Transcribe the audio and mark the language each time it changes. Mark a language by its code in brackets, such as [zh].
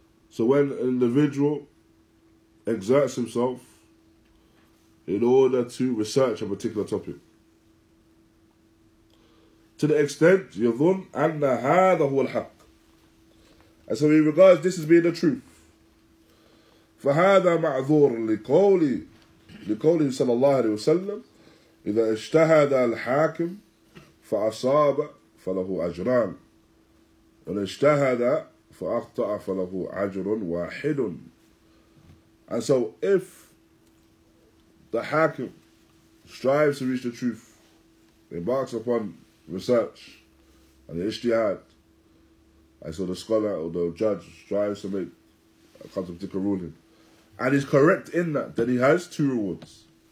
[en] So when an individual exerts himself in order to research a particular topic, to the extent [ar] يظن أن هذا هو الحق, [en] and so he regards this as being the truth. [ar] فهذا معذور لقوله صلى الله عليه وسلم إذا اجتهد الحاكم فأصاب فله أجران وإن اجتهد فأخطأ فله أجر واحد. [en] And so if the hakim strives to reach the truth, embarks upon research and the ijtihad, and so the scholar or the judge strives to make a particular ruling, and is correct in that, then he has two rewards.